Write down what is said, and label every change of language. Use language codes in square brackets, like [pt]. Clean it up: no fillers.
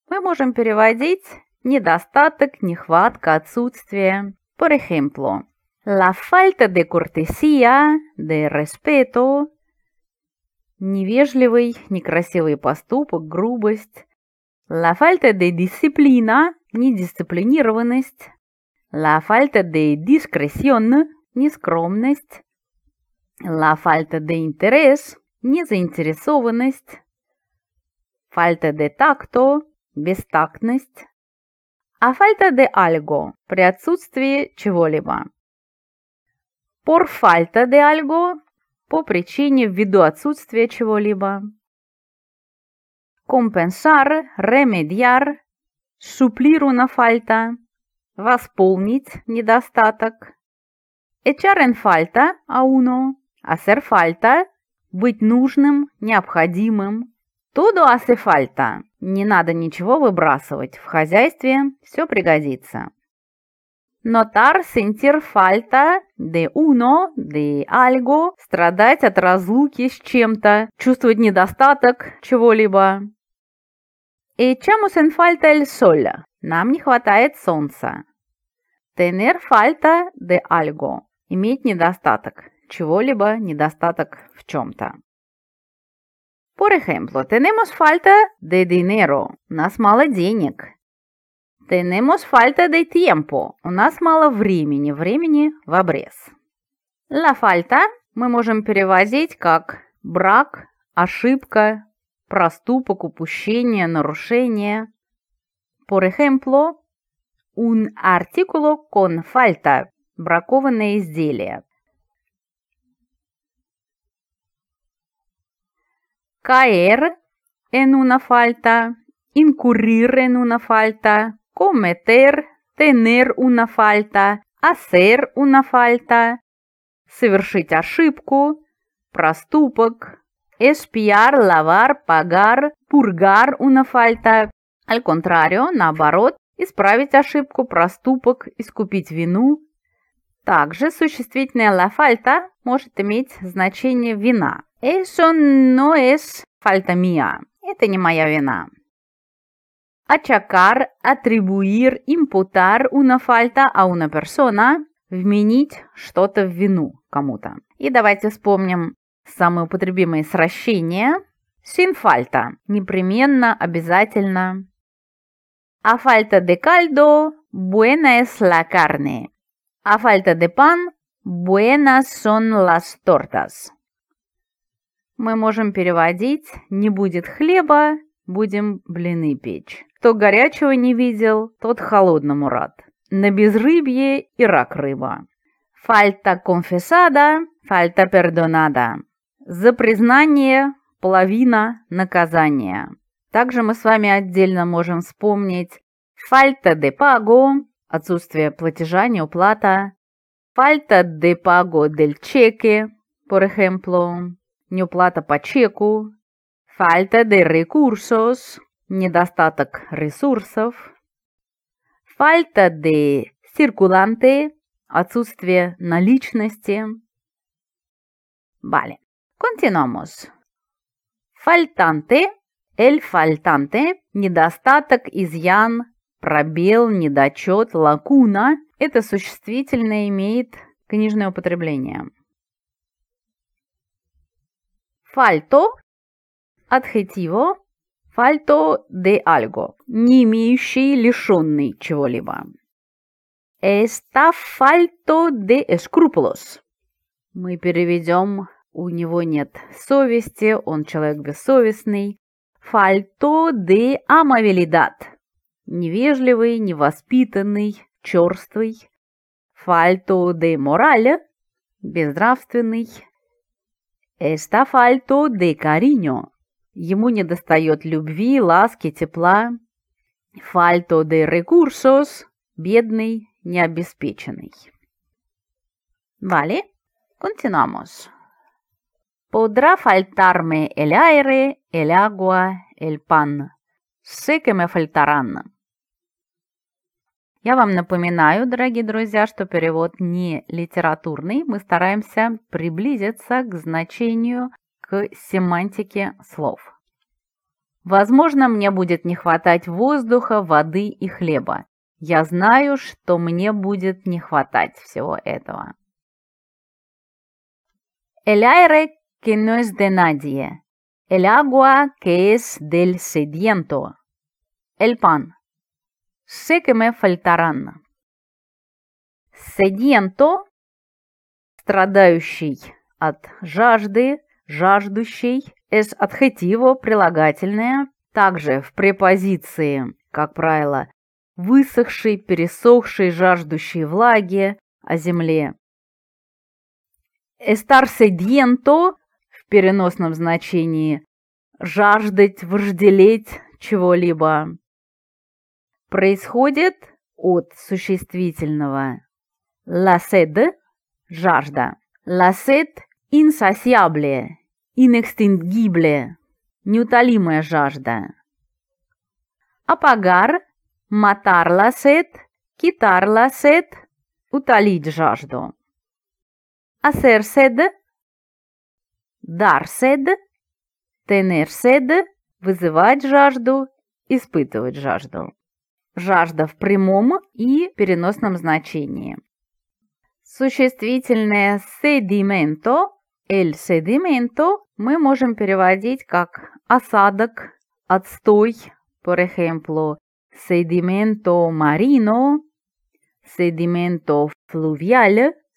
[ru] Мы можем переводить недостаток, нехватка, отсутствие. [es] Por ejemplo, la falta de cortesía, de respeto. [ru] Невежливый, некрасивый поступок, грубость. [es] La falta de disciplina, [ru] недисциплинированность. [es] La falta de discreción, [ru] нескромность. [es] La falta de interés, [ru] незаинтересованность. [es] Falta de tacto, [ru] бестактность. [es] A falta de algo, [ru] при отсутствии чего-либо. [es] Por falta de algo, [ru] по причине, ввиду отсутствия чего-либо. [es] Compensar, remediar, suplir una falta, [ru] восполнить недостаток. [es] Echar en falta a uno, hacer falta, [ru] быть нужным, необходимым. [es] Todo hace falta, [ru] не надо ничего выбрасывать, в хозяйстве все пригодится. [es] Notar, sentir falta de uno, de algo, [ru] страдать от разлуки с чем-то, чувствовать недостаток чего-либо. [es] Echamos en falta el sol. [ru] Нам не хватает солнца. [es] Tener falta de algo. [ru] Иметь недостаток. Чего-либо недостаток в чем-то. [es] Por ejemplo, tenemos falta de dinero. [ru] У нас мало денег. [es] Tenemos falta de tiempo. [ru] У нас мало времени. Времени в обрез. La falta мы можем переводить как брак, ошибка, проступок, упущение, нарушение. [es] Por ejemplo, un artículo con falta – [ru] бракованное изделие. [es] Caer en una falta, incurrir en una falta, cometer, tener una falta, hacer una falta, [ru] совершить ошибку, проступок. [es] Espiar, lavar, pagar, purgar una falta. Al contrario, [ru] наоборот, исправить ошибку, проступок, искупить вину. Также существительное la falta может иметь значение вина. [es] Eso no es falta mía. [ru] Это не моя вина. [es] Achacar, atribuir, imputar una falta a una persona. [ru] Вменить что-то в вину кому-то. И давайте вспомним самые употребимые сращения. [es] Sin falta. [ru] Непременно, обязательно. [es] A falta de caldo, buena es la carne. A falta de pan, buenas son las tortas. [ru] Мы можем переводить «не будет хлеба, будем блины печь». Кто горячего не видел, тот холодному рад. На безрыбье и рак рыба. [es] Falta confesada, falta perdonada. [ru] За признание половина наказания. Также мы с вами отдельно можем вспомнить [es] falta de pago, [ru] отсутствие платежа, неуплата. [es] Falta de pago del cheque, por ejemplo, [ru] неуплата по чеку. [es] Falta de recursos, [ru] недостаток ресурсов. [es] Falta de circulante, [ru] отсутствие наличности. [es] Vale. Continuamos. Faltante, el faltante, [ru] недостаток, изъян, пробел, недочет, лакуна. Это существительное имеет книжное употребление. [es] Falto, adjetivo, falto de algo, [ru] не имеющий, лишенный чего-либо. [es] Está falto de escrúpulos. [ru] Мы переведем... У него нет совести, он человек бессовестный. [es] Falto de amabilidad. [ru] Невежливый, невоспитанный, черствый. [es] Falto de moral. [ru] Безнравственный. [es] Está falto de cariño. [ru] Ему недостает любви, ласки, тепла. [es] Falto de recursos. [ru] Бедный, необеспеченный. [es] Vale, continuamos. Podrá faltarme el aire, el agua, el pan. Sé que me faltarán. [ru] Я вам напоминаю, дорогие друзья, что перевод не литературный. Мы стараемся приблизиться к значению, к семантике слов. Возможно, мне будет не хватать воздуха, воды и хлеба. Я знаю, что мне будет не хватать всего этого. [es] El aire que no es de nadie. El agua que es del sediento. El pan. Sé que me faltarán. Sediento. [ru] Страдающий от жажды, жаждущий. [es] Es adjetivo, [ru] прилагательное. Также в препозиции, как правило, высохший, пересохший, жаждущий влаги о земле. [es] Estar sediento [ru] в переносном значении жаждать, вожделеть чего-либо. Происходит от существительного la sed, жажда. [es] La sed insaciable, inextinguible, [ru] неутолимая жажда. [es] Apagar, matar la sed, quitar la sed, [ru] утолить жажду. [es] Hacer sed, dar sed, tener sed, [ru] вызывать жажду, испытывать жажду. Жажда в прямом и переносном значении. Существительное sedimento, el sedimento, мы можем переводить как осадок, отстой, [es] por ejemplo, sedimento marino, sedimento fluvial,